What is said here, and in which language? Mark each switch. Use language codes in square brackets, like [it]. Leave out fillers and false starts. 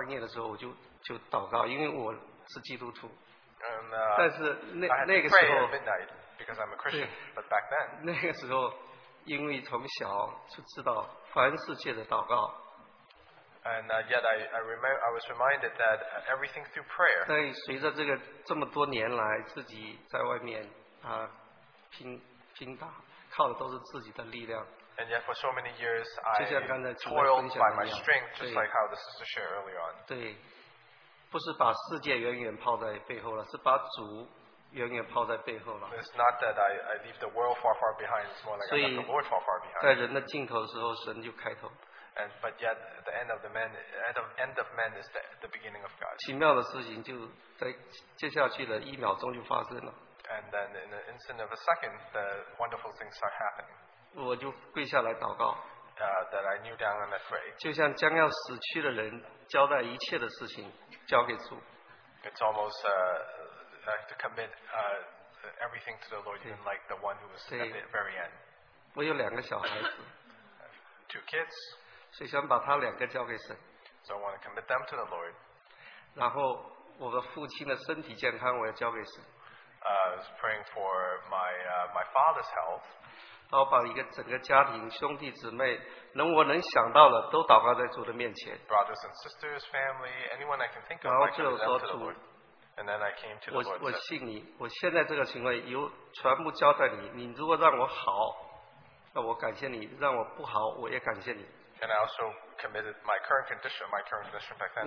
[zh] 所以我没有办法，那半夜的时候我就祷告，因为我是基督徒。但是那个时候， [en] I had to pray at midnight because I'm a Christian. [zh] 对, [en] but back then, [zh] 那个时候。因为从小就知道凡事借着祷告。 [en] And yet I was reminded that everything through prayer. [zh] 但随着这个这么多年来自己在外面拼打靠的都是自己的力量。 [en] And yet for so many years I toiled by my strength, just like how the sister shared early on. [zh] 对，不是把世界远远抛在背后了，是把主。 [en] It's not that I leave the world far, far behind. It's more like I left the Lord far, far behind. [zh] 在人的尽头的时候，神就开头。 [en] And but yet, the end of the man, end of man is the beginning of God. [zh] 奇妙的事情就在接下去的一秒钟就发生了。 [en] And then, in the instant of a second, the wonderful things start happening. [zh] 我就跪下来祷告。 [en] That I kneel down and I pray. [zh] 就像将要死去的人交代一切的事情交给主。 [en] It's almost to commit everything to the Lord, even like the one who was at the very end. [zh] 我有两个小孩子。 [en] Two kids. [zh] 所以想把他两个交给神。 [en] So I want to commit them to the Lord. [zh] 然后我的父亲的身体健康我要交给神。 [en] I was praying for my father's health. [zh] 然后把一个整个家庭兄弟姊妹能我能想到的都祷告在主的面前。 [en] Brothers and sisters, family, anyone I can think of, I commit them to the Lord. And then I came to the Lord. [zh] 我信你，我现在这个情况由全部交代你。你如果让我好。那我感谢你，让我不好，我也感谢你。 [en] And I also committed my current condition back then to him.